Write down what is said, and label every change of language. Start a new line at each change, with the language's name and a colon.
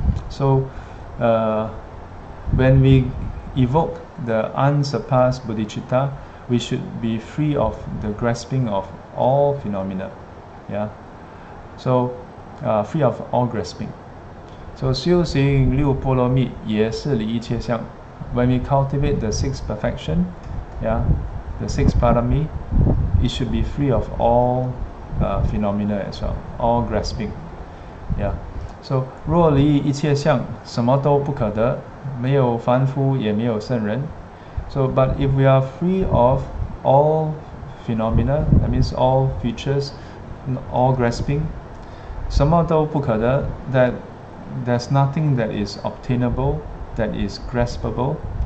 English: So, when we evoke the unsurpassed bodhicitta,We should be free of the grasping of all phenomena, yeah. So, free of all grasping.
Chinese: So, 修行六波罗蜜也是离一切相
English: When we cultivate the sixth perfection, yeah, the sixth parami, it should be free of all phenomena as well, all grasping, yeah.
Chinese: So, 若离一切相，什么都不可得，没有凡夫，也没有圣人。
English: So, but if we are free of all phenomena, that means all features, all grasping, 什么都不可得, that there's nothing that is obtainable, that is graspable,